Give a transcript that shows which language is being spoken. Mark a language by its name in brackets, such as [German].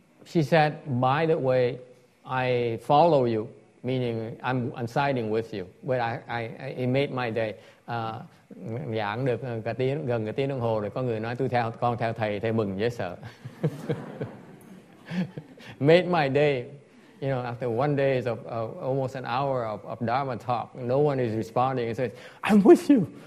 [English] She said, by the way, I follow you, meaning I'm siding with you. But I made my day. [Vietnamese] Giảng được cả tiếng, gần cả tiếng đồng hồ rồi có người nói tôi theo con theo thầy, thầy mừng dễ sợ. [English] Made my day. You know, after one day of almost an hour of Dharma talk, no one is responding. He says, I'm with you.